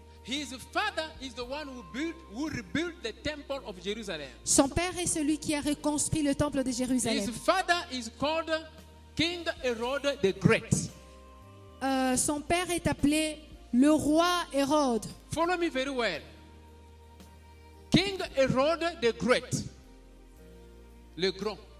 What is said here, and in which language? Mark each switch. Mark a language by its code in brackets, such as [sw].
[en] His father is the one who rebuilt the temple of Jerusalem. [fr] Son père est celui qui a reconstruit le temple de Jérusalem. [en] His father is called King Herod the Great. [fr] Son père est appelé le roi Hérode. [en] Follow me very well. King Herod the Great. [fr] Le grand.